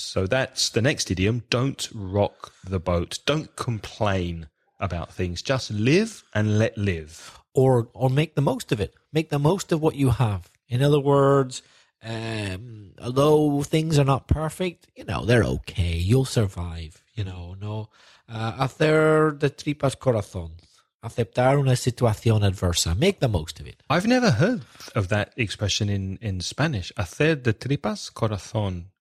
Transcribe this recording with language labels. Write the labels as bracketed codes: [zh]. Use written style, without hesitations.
[en] So that's the next idiom. Don't rock the boat. Don't complain about things. Just live and let live. Or make the most of it. Make the most of what you have. In other words, although things are not perfect, you know, they're okay. You'll survive, you know. [es] No, hacer de tripas corazón. Aceptar una situación adversa. [en] Make the most of it. I've never heard of that expression in Spanish. [es] Hacer de tripas corazón.